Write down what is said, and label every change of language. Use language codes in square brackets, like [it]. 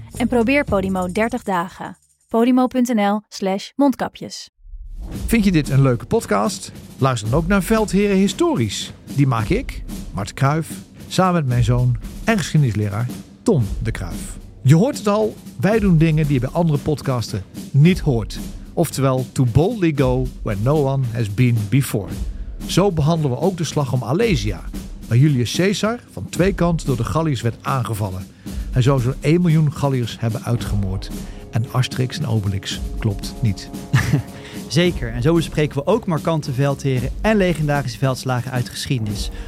[nl] En probeer Podimo 30 dagen. Podimo.nl/mondkapjes. Vind je dit een leuke podcast? Luister dan ook naar Veldheren Historisch. Die maak ik, Mart Kruijf, samen met mijn zoon en geschiedenisleraar Tom de Kruijf. Je hoort het al, wij doen dingen die je bij andere podcasten niet hoort. Oftewel, [en] to boldly go where no one has been before. [nl] Zo behandelen we ook de slag om Alesia, waar Julius Caesar van twee kanten door de Galliërs werd aangevallen. Hij zou zo'n 1 miljoen Galliërs hebben uitgemoord. En Asterix en Obelix klopt niet. Zeker, en zo bespreken we ook markante veldheren en legendarische veldslagen uit de geschiedenis.